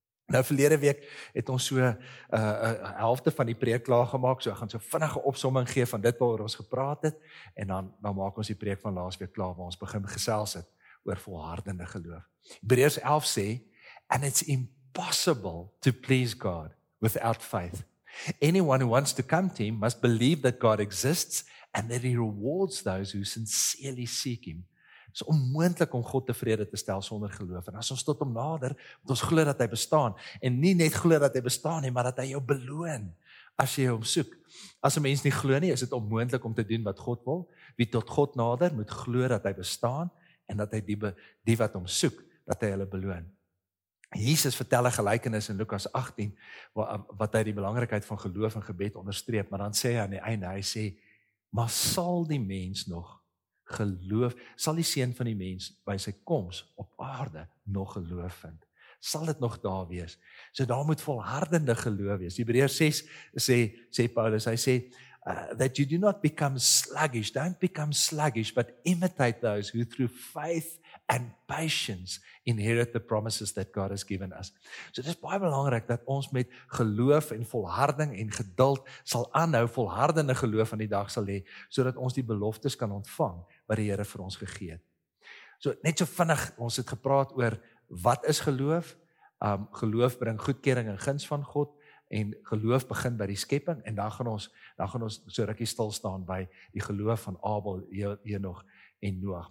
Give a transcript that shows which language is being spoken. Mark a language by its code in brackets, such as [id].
[af] Nou verlede week het ons so 'n helfte van die preek klaar gemaak, so ek gaan so vinnige opsomming gee van dit waaroor ons gepraat het, en dan maak ons die preek van laas week klaar waar ons begin gesels het oor volhardende geloof. Hebreërs 11 sê, [en] and it's impossible to please God without faith. Anyone who wants to come to him must believe that God exists and that he rewards those who sincerely seek him. [af] Dit is onmoontlik om God tevrede te stel sonder geloof. En as ons tot hom nader, moet ons glo dat hy bestaan. En nie net glo dat hy bestaan nie, maar dat hy jou beloon as jy hom soek. As 'n mens nie glo nie, is dit onmoontlik om te doen wat God wil. Wie tot God nader, moet glo dat hy bestaan en dat hy die wat hom soek, dat hy hulle beloon. Jesus vertel 'n gelykenis in Lukas 18, wat hy die belangrikheid van geloof en gebed onderstreep. Maar dan sê hy aan die einde, hy sê, maar sal die mens nog geloof, sal die seun van die mens by sy koms op aarde nog geloof vind? Sal dit nog daar wees? So daar moet volhardende geloof wees. Hebreërs 6 sê Paulus, hy sê, [en] that you do not become sluggish, don't become sluggish, but imitate those who through faith and patience inherit the promises that God has given us. [af] So dit is baie belangrik dat ons met geloof en volharding en geduld sal aanhou, volhardende geloof aan die dag sal hê, sodat ons die beloftes kan ontvang wat die Here vir ons gegee het. So net so vinnig, ons het gepraat oor wat is geloof? Geloof bring goedkeuring en guns van God, en geloof begin by die skepping, en dan gaan ons so rukkie stil staan by die geloof van Abel, Henog en Noag.